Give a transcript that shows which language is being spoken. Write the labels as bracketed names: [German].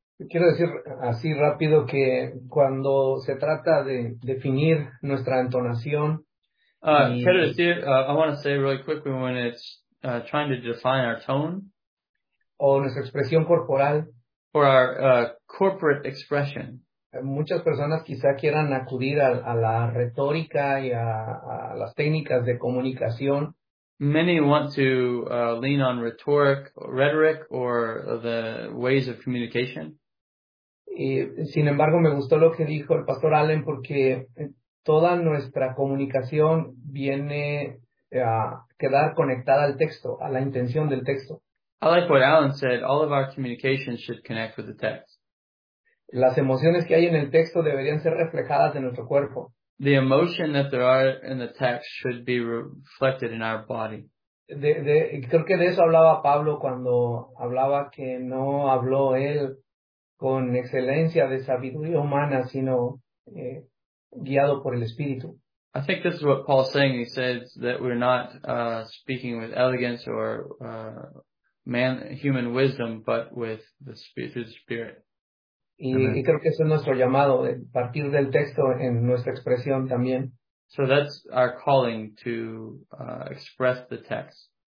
[Spanish] Quiero decir así rápido que cuando se trata de definir nuestra entonación. [English] I want to say really quickly when it's trying to define our tone. [Spanish] O nuestra expresión corporal. [English] Or our corporate expression. [Spanish] Muchas personas quizá quieran acudir a la retórica y a las técnicas de comunicación. [English] Many want to lean on rhetoric or the ways of communication. [Spanish] Y, sin embargo, me gustó lo que dijo el pastor Allen porque toda nuestra comunicación viene a quedar conectada al texto, a la intención del texto. [English] I like what Allen said. All of our communication should connect with the text. [Spanish] Las emociones que hay en el texto deberían ser reflejadas en nuestro cuerpo. [English] The emotion that there are in the text should be reflected in our body. [Spanish] Creo que de eso hablaba Pablo cuando hablaba que no habló él con excelencia de sabiduría humana, sino guiado por el Espíritu. [English] I think this is what Paul's saying. He says that we're not speaking with elegance or human wisdom, but with the Spirit, through the Spirit. [Spanish] Y creo que eso es nuestro llamado, partir del texto en nuestra expresión también. [English] So that's our calling to express the text.